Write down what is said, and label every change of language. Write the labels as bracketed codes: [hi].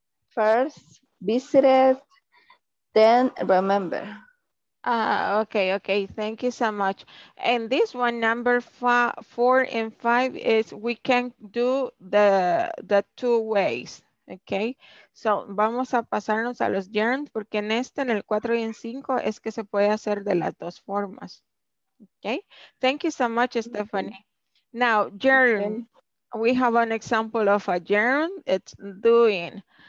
[en] First visited, then remember. Okay, thank you so much. And this one, number four and five, is we can do the two ways, okay? [es] So vamos a pasarnos a los gerunds, porque en este, en el cuatro y en cinco, es que se puede hacer de las dos formas, okay? [en] Thank you so much, Stephanie. Now, gerund, okay. We have an example of a gerund, it's doing.